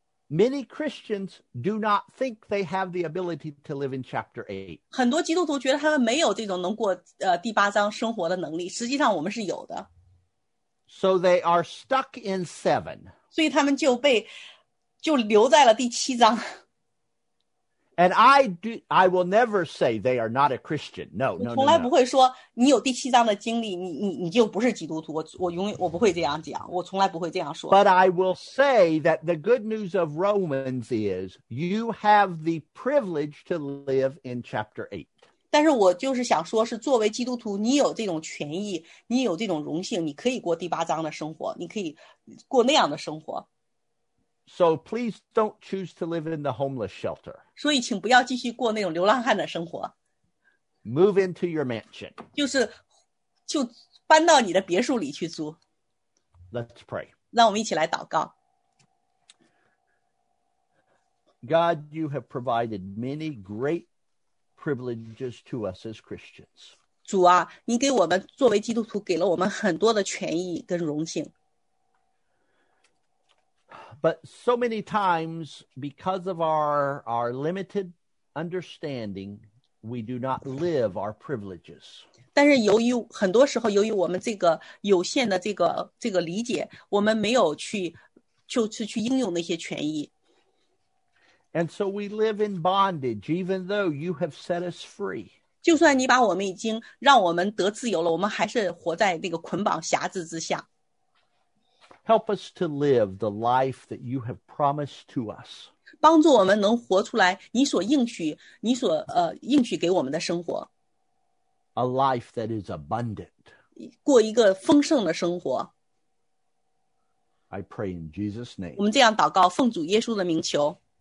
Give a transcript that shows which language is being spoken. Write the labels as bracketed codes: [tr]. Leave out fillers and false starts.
[en] Many Christians do not think they have the ability to live in chapter 8. [zh] 很多基督徒觉得他们没有这种能过第八章生活的能力，实际上我们是有的。 [en] So they are stuck in 7. [zh] 所以他们就留在了第七章。 [en] And I will never say they are not a Christian. No, no, no. [zh] 从来不会说你有第七章的经历，你就不是基督徒。我不会这样讲，我从来不会这样说。 [en] But I will say that the good news of Romans is you have the privilege to live in chapter 8. [zh] 但是我就是想说，是作为基督徒，你有这种权益，你有这种荣幸，你可以过第八章的生活，你可以过那样的生活。 [en] So please don't choose to live in the homeless shelter. [zh] 所以请不要继续过那种流浪汉的生活。 [en] Move into your mansion. [zh] 就搬到你的别墅里去租。 [en] Let's pray. [zh] 让我们一起来祷告。 [en] God, you have provided many great privileges to us as Christians. [zh] 主啊，你给我们作为基督徒给了我们很多的权益跟荣幸。 [en] But so many times, because of our limited understanding, we do not live our privileges. [zh] 但是由于很多时候，由于我们这个有限的这个理解，我们没有去应用那些权益。 [en] And so we live in bondage, even though you have set us free. [zh] 就算你把我们已经让我们得自由了，我们还是活在那个捆绑辖制之下。 [en] Help us to live the life that you have promised to us. [zh] 帮助我们能活出来你所应许给我们的生活。 [en] A life that is abundant. [zh] 过一个丰盛的生活。 [en] I pray in Jesus' name. [zh] 我们这样祷告，奉主耶稣的名求。